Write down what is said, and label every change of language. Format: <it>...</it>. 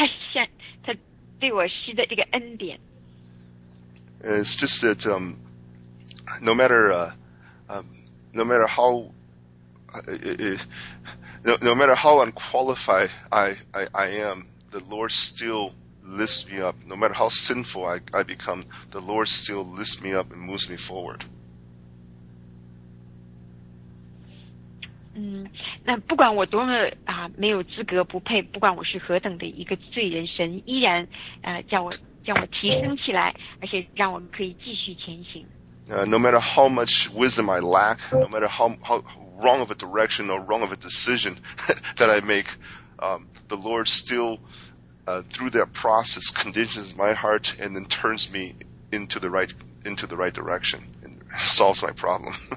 <zh>我听到是非常，他对我施的这个恩典。</zh> <en>It's just that no matter how unqualified I am, the Lord still lifts me up. No matter how sinful I become, the Lord still lifts me up and moves me forward.</en> <zh>那不管我多么没有资格不配，不管我是何等的一个罪人，神依然叫我提升起来，而且让我可以继续前行。</zh> <en>No matter how much wisdom I lack, no matter how wrong of a direction or wrong of a decision that I make, the Lord still, through that process, conditions my heart and then turns me into the right direction and solves my problem.</en>